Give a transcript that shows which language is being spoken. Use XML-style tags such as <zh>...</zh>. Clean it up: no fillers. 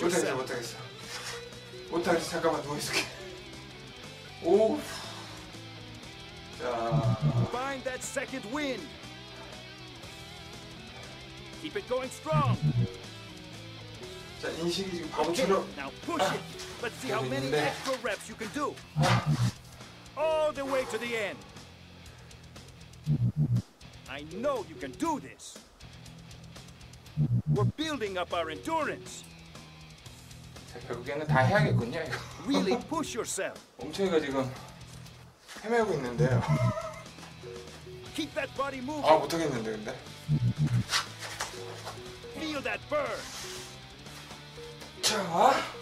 <en>yourself.</en> <ko>못하겠어. 못하겠어. 잠깐만 누워 있을게. 오. 자.</ko> <en>Find that second win. Keep it going strong.</en> <ko>자, 인식이 지금 바보처럼.</ko> <en>Okay, now push it. Let's see how many extra reps you can do. All the way to the end. I know you can do this. We're building up our endurance.</en> <ko>자, 결국에는 다 해야겠군요, 이거.</ko> <en>Really push yourself.</en> <ko>엉청이가 지금 헤매고 있는데요.</ko> <en>Keep that body moving.</en> <ko>아, 못 하겠는데, 근데.</ko> <en>Feel that burn.</en> <ko>자.</ko>